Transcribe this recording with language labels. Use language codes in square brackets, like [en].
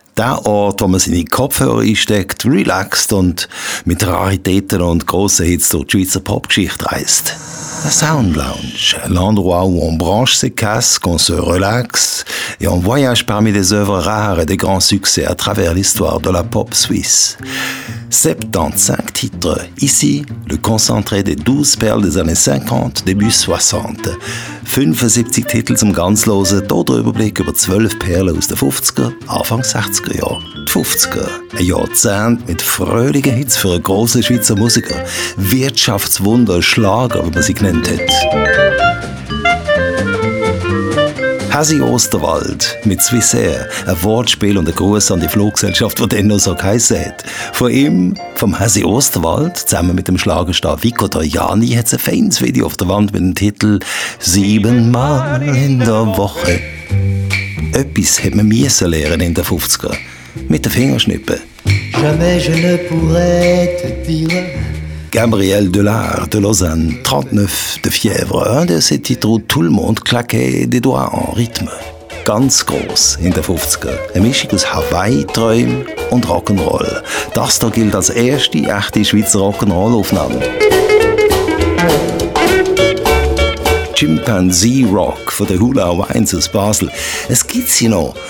[de] Der Ort, wo man seine Kopfhörer einsteckt, relaxt und mit Raritäten und grossen Hits durch die Schweizer Popgeschichte reist. Sound Lounge. [fr] L'endroit où on branche ses casques, on se relaxe et on voyage parmi des œuvres rares et des grands succès à travers l'histoire de la pop suisse. 75 titres. Ici, le concentré des 12 perles des années 50, début 60. [de] 75 Titel zum Ganzlosen, hier der Überblick über 12 Perlen aus den 50er, Anfang 60er Jahre. Die 50er, ein Jahrzehnt mit fröhlichen Hits für einen grossen Schweizer Musiker. Wirtschaftswunder, Schlager, wie man sie genannt hat. Hasi Osterwald mit Swissair, ein Wortspiel und ein Gruß an die Fluggesellschaft, die dann noch so geheissen hat. Von ihm, vom Hasi Osterwald, zusammen mit dem Schlagerstar Vico Troiani, hat es ein Fans-Video auf der Wand mit dem Titel «Siebenmal in der Woche». Etwas hat man müssen lernen in den 50er. Mit den Fingerschnippen. [fr] Jamais je ne pourrais te dire. Gabriel Delard de Lausanne, 39 de fièvre, un de ses titres où tout le monde claquait des doigts en rythme. [de] Ganz gross in den 50er, eine Mischung aus Hawaii-Träumen und Rock'n'Roll. Das hier gilt als erste echte Schweizer Rock'n'Roll-Aufnahme. Chimpanzee Rock von den Hula Hawaiians aus Basel. Es gibt sie noch.